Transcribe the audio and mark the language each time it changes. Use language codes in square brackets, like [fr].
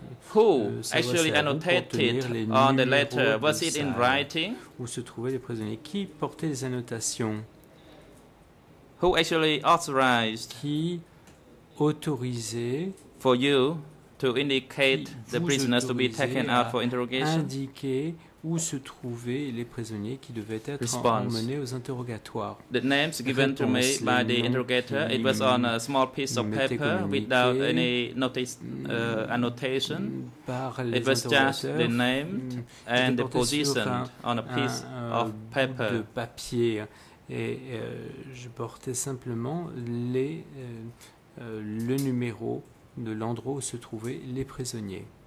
[en] Who actually annotated on the letter? Was it in writing? [fr] Où se trouvaient les prisonniers? Qui portait les annotations? [en] Who actually authorized? [fr] Qui autorisait? [en] For you to indicate the prisoners to be taken out for interrogation. [fr] Indiquer où se trouvaient les prisonniers qui devaient être emmenés aux interrogatoires. [en] The names given to me by the interrogator. It was on a small piece of paper without any annotation. It was just the name and the position on a piece of paper. [fr] De papier et je portais simplement les le numéro de l'endroit où se trouvaient les prisonniers.